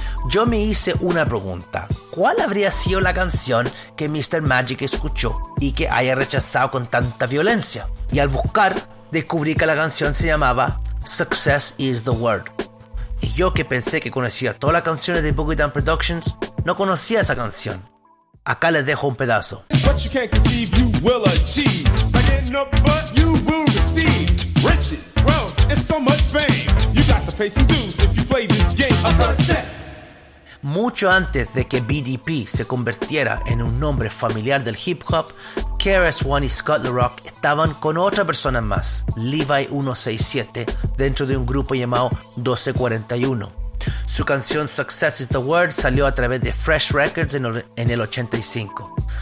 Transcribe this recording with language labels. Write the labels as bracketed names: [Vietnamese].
[Spanish] Yo me hice una pregunta. ¿Cuál habría sido la canción que Mr. Magic escuchó y que haya rechazado con tanta violencia? Y al buscar, descubrí que la canción se llamaba Success is the Word. Y yo, que pensé que conocía todas las canciones de Boogie Down Productions, no conocía esa canción. Acá les dejo un pedazo. [English] What you can't conceive, you will achieve. By getting up, but you will receive riches, wealth, and so much fame. You got to pay some dues if you play this game. A success. [Spanish] Mucho antes de que BDP se convirtiera en un nombre familiar del hip hop, KRS-One y Scott La Rock estaban con otra persona más, Levi 167, dentro de un grupo llamado 1241. Su canción Success is the Word salió a través de Fresh Records en el 85.